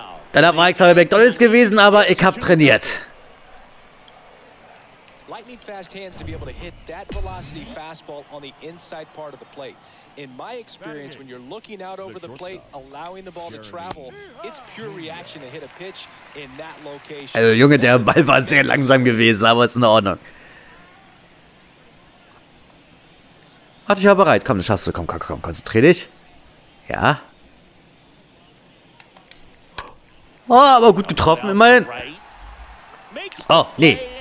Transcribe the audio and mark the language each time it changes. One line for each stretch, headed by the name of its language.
German: Dann war ich zwar bei McDonald's gewesen, aber ich hab trainiert.
English: Lightning fast hands to be able to hit that velocity fastball on the inside part of the plate. In my experience, when you're looking out over the plate, allowing the ball to travel, it's pure reaction to hit a pitch in that location.
German: Also Junge, der Ball war sehr langsam gewesen, aber ist in Ordnung. Warte, ich war bereit. Komm, das schaffst du. Komm, konzentrier dich. Ja. Oh, aber gut getroffen, immerhin. Oh, nee.